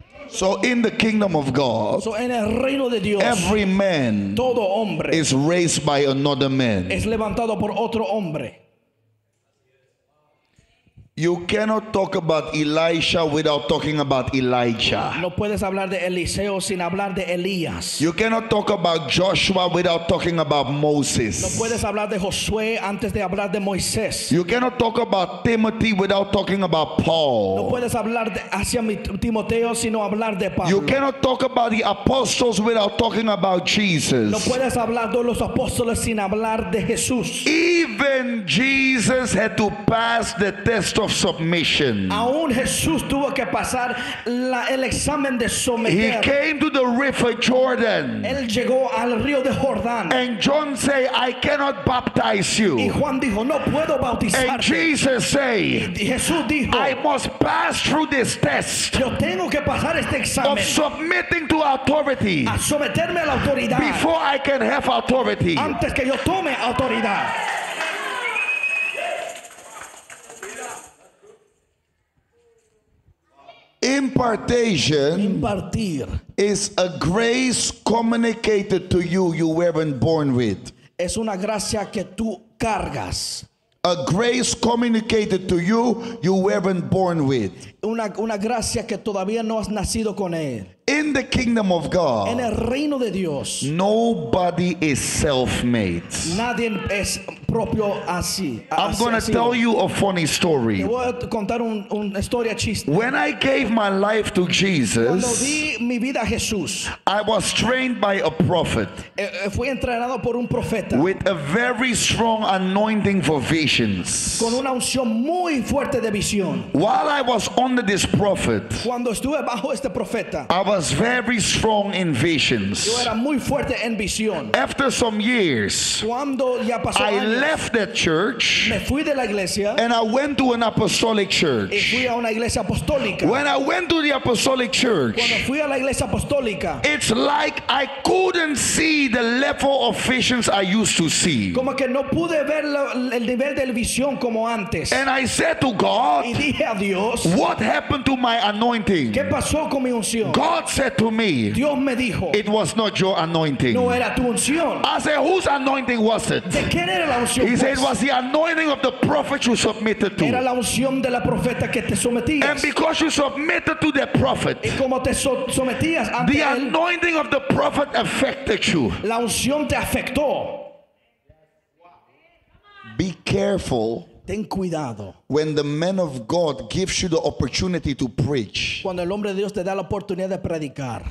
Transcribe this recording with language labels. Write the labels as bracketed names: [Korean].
[English] So in the kingdom of God, [Spanish] so en el reino de Dios, [English] every man, [Spanish] todo hombre, [English] is raised by another man. [Spanish] Es levantado por otro hombre. [English] You cannot talk about Elisha without talking about Elijah. [Spanish] No puedes hablar de Eliseo sin hablar de Elías. [English] You cannot talk about Joshua without talking about Moses. [Spanish] No puedes hablar de Josué antes de hablar de Moisés. [English] You cannot talk about Timothy without talking about Paul. [Spanish] No puedes hablar hacia Timoteo sino hablar de Pablo. [English] You cannot talk about the apostles without talking about Jesus. [Spanish] No puedes hablar de los apóstoles sin hablar de Jesús. [English] Even Jesus had to pass the test of submission. [Spanish] Aún Jesús tuvo que pasar el examen de someter. [English] He came to the river Jordan. [Spanish] Él llegó al río de Jordán. [English] And John say, I cannot baptize you. [Spanish] Y Juan dijo, no puedo bautizarte. [English] And Jesus say, [Spanish] Jesús dijo, [English] I must pass through this test. [Spanish] Yo tengo que pasar este examen. [English] Of submitting to authority. [Spanish] A someterme a la autoridad. [English] Before I can have authority. [Spanish] Antes que yo tome autoridad. [English] Impartir is a grace communicated to you you weren't born with. [Spanish] Es una gracia que tú cargas. [English] A grace communicated to you you weren't born with. [Spanish] Una gracia que todavía no has nacido con él. [English] In the kingdom of God, [Spanish] en el reino de Dios, [English] nobody is self-made. [Spanish] Nadie es propio así. [English] I'm going to tell you a funny story. [Spanish] Te voy a contar una historia chiste. [English] When I gave my life to Jesus, [Spanish] cuando di mi vida a Jesús, [English] I was trained by a prophet. [Spanish] Fui entrenado por un profeta. [English] With a very strong anointing for visions. [Spanish] Con una unción muy fuerte de visión. [English] While I was under this prophet, [Spanish] cuando estuve bajo este profeta, [English] I was very strong in visions. [Spanish] Yo era muy fuerte en visión. [English] After some years, [Spanish] cuando ya pasó [English] I años, left that church, [Spanish] me fui de la iglesia, [English] and I went to an apostolic church. [Spanish] Y fui a una iglesia apostólica. [English] When I went to the apostolic church, [Spanish] cuando fui a la iglesia apostólica, [English] it's like I couldn't see the level of visions I used to see. [Spanish] Como que no pude ver el nivel de visión como antes. [English] And I said to God, [Spanish] y dije a Dios, [English] what happened to my anointing? [Spanish] ¿Qué pasó con mi unción? [English] God said to me, [Spanish] Dios me dijo, [English] it was not your anointing. [Spanish] No era tu unción. [English] I said, whose anointing was it? [Spanish] ¿De quién era la unción? [English] He said, it was the anointing of the prophet you submitted to. [Spanish] Era la unción de la profeta que te sometías. [English] And because you submitted to the prophet, [Spanish] y como te sometías ante [English] the [Spanish] él, [English] anointing of the prophet affected you. [Spanish] La unción te afectó. [English] Be careful. [Spanish] Ten cuidado. [English] When the man of God gives you the opportunity to preach, [Spanish] cuando el hombre de Dios te da la oportunidad de predicar,